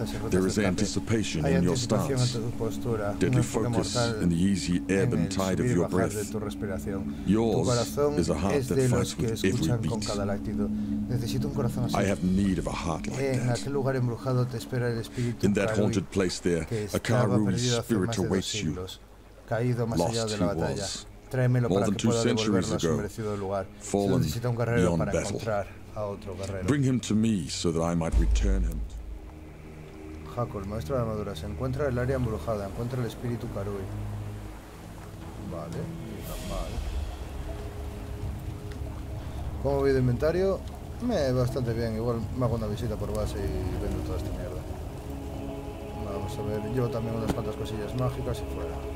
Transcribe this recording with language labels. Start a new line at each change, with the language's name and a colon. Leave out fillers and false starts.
English: There is anticipation in your stance, deadly focus in the easy ebb and tide of your breath. Yours is a heart that fights with every beat. I have need of a heart like that. In that haunted place there, Akaru's spirit awaits you. Lost he was.
Spanish: Tráemelo para que pueda devolverlo a su merecido lugar. Se necesita un guerrero para encontrar a otro guerrero.
English: Bring him to me so that I might return him.
Spanish: Haku, el maestro de armadura, se encuentra en el área embrujada. Encuentra el espíritu Karui. Vale, mal. ¿Cómo voy de inventario? Bastante bien. Igual me hago una visita por base y vendo toda esta mierda. Vamos a ver, llevo también unas cuantas cosillas mágicas y fuera.